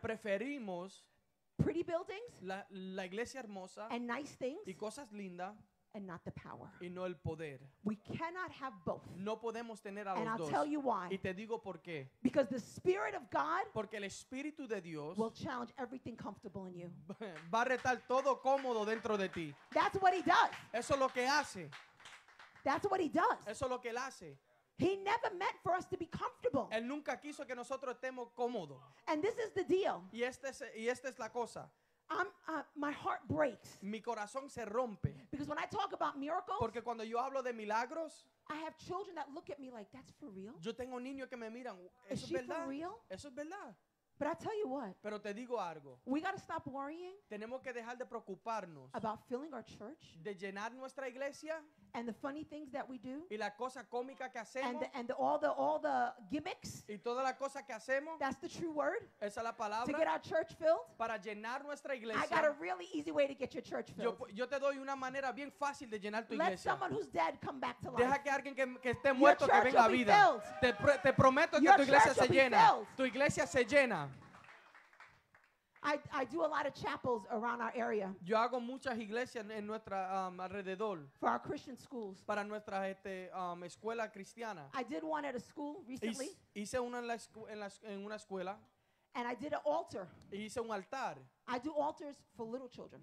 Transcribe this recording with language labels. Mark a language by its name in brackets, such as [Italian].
[Spanish] preferimos [English] pretty buildings, [Spanish] la iglesia hermosa, [English] and nice things, [Spanish] y cosas lindas, [English] and not the power. [Spanish] Y no el poder. [English] We cannot have both. [Spanish] No podemos tener a los [English] and I'll [Spanish] dos. [English] Tell you why. [Spanish] Y te digo por qué. [English] Because the Spirit of God, [Spanish] porque el Espíritu de Dios, [English] will challenge everything comfortable in you. [Spanish] Va a retar todo cómodo dentro de ti. [English] That's what he does. [Spanish] Eso es lo que hace. [English] That's what he does. [Spanish] Eso es lo que él hace. [English] He never meant for us to be comfortable. [Spanish] Él nunca quiso que nosotros estemos cómodos. [English] And this is the deal. [Spanish] Y esta es la cosa. [English] My heart breaks. [Spanish] Mi corazón se rompe. [English] Because when I talk about miracles, [Spanish] porque cuando yo hablo de milagros, [English] I have children that look at me like, "That's for real?" [Spanish] Yo tengo niños que me miran, "Eso es verdad?" [English] Is she for real? [Spanish] Eso es verdad. [English] But I tell you what. [Spanish] Pero te digo algo. [English] We got to stop worrying. [Spanish] Tenemos que dejar de preocuparnos. [English] About filling our church. [Spanish] De llenar nuestra iglesia. [English] And the funny things that we do. [Spanish] Y la cosa cómica que hacemos. [English] And all the gimmicks. [Spanish] Y toda la cosa que hacemos. [English] That's the true word. [Spanish] Esa es la palabra. [English] To get our church filled. [Spanish] Para llenar nuestra iglesia. [English] I got a really easy way to get your church filled. [Spanish] Yo te doy una manera bien fácil de llenar tu iglesia. [English] Let someone who's dead come back to life. [Spanish] Deja que alguien que esté muerto que venga a vida. Te prometo que tu iglesia se llena. Tu iglesia se llena. [English] I do a lot of chapels around our area. [Spanish] Yo hago muchas iglesias en nuestra alrededor. [English] For our Christian schools. [Spanish] Para nuestra escuela cristiana. [English] I did one at a school recently. [Spanish] Hice una en una escuela. [English] And I did an altar. [Spanish] Y hice un altar. [English] I do altars for little children.